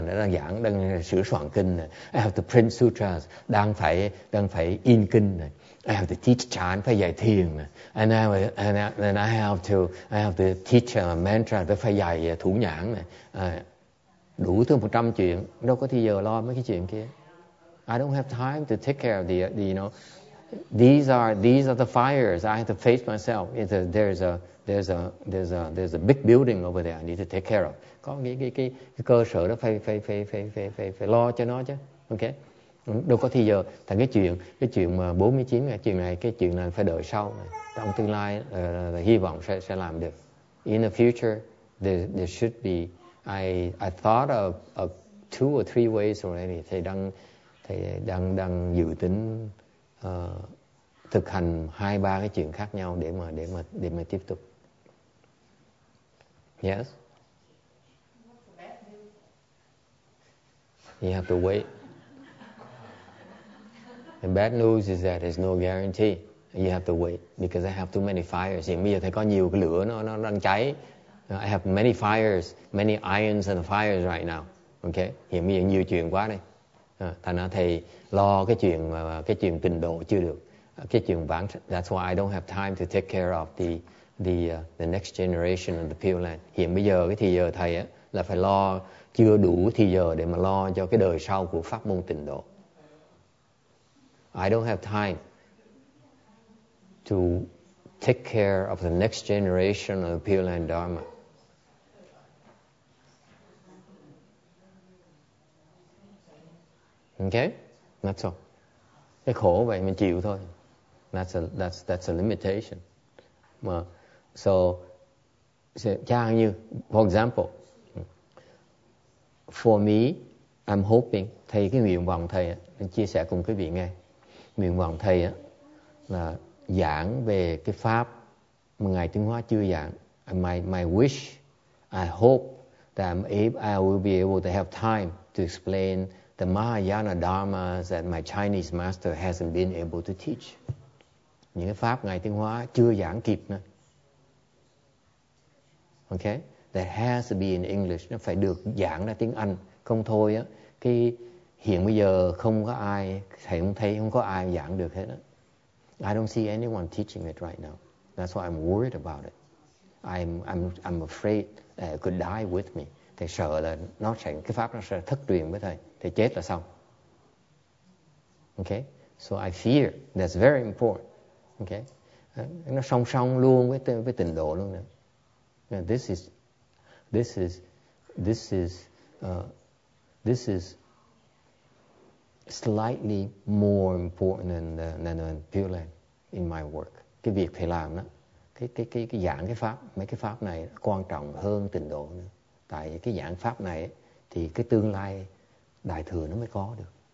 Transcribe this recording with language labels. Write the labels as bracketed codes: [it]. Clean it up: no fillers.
[vi] Đang giảng, đang sửa soạn kinh. [en] I have to print sutras. [vi] Đang phải in kinh. [en] I have to teach chan, [vi] phải dạy thiền. [en] And I have to teach a mantra, [vi] phải dạy thủ nhãn. Đủ thứ 100 chuyện, đâu có thời giờ lo mấy cái chuyện kia. [en] I don't have time to take care of the you know. These are the fires I have to face myself. There's a big building over there I need to take care of. [vi] Có cái cơ sở đó phải lo cho nó chứ. Okay. Đâu có thời giờ. Thành cái chuyện mà 49 ngày, cái chuyện này phải đợi sau. Trong tương lai hy vọng sẽ làm được. [en] In the future there should be I thought of two or three ways already. [vi] Thầy đang dự tính thực hành hai ba cái chuyện khác nhau để mà tiếp tục. [en] Yes. You have to wait. The bad news is that there's no guarantee. You have to wait because I have too many fires. [vi] Hiện bây giờ thấy có nhiều cái lửa nó đang cháy. [en] I have many fires, many irons and fires right now. Okay. [vi] Hiện bây giờ nhiều chuyện quá đây. Thành ra thầy lo cái chuyện tình độ chưa được. Cái chuyện bản [en] that's why I don't have time to take care of the next generation of the Pure Land. [vi] Hiện bây giờ cái thời giờ thầy á là phải lo chưa đủ thời giờ để mà lo cho cái đời sau của pháp môn tịnh độ. [en] I don't have time to take care of the next generation of the Pure Land Dharma. Okay? That's all. [vi] Cái khổ vậy mình chịu thôi. [en] That's a limitation. So, [vi] chẳng như, [en] for example, for me, I'm hoping, [vi] thầy cái nguyện vọng thầy, chia sẻ cùng quý vị nghe. Nguyện vọng thầy là giảng về cái pháp mà Ngài Tuyên Hóa chưa giảng. [en] My wish, I hope that I will be able to have time to explain the Mahayana Dharmas that my Chinese master hasn't been able to teach. [vi] Những cái pháp Ngài Tuyên Hóa chưa giảng kịp nữa. [en] Okay? That has to be in English. [vi] Nó phải được giảng ra tiếng Anh. Không thôi á, cái hiện bây giờ không có ai, thầy không thấy không có ai giảng được hết á. [en] I don't see anyone teaching it right now. That's why I'm worried about it. I'm afraid that it could die with me. [vi] Thầy sợ là nó sẽ, cái pháp nó sẽ thất truyền với thầy. Thầy chết là xong. [en] Okay? So I fear. That's very important. [vi] Okay, nó song song luôn với tình độ luôn nữa. [en] Now this is slightly more important than Pure Land in my work. [vi] Cái việc thầy làm đó, cái giảng cái pháp, mấy cái pháp này quan trọng hơn tình độ nữa. Tại cái giảng pháp này thì cái tương lai đại thừa nó mới có được.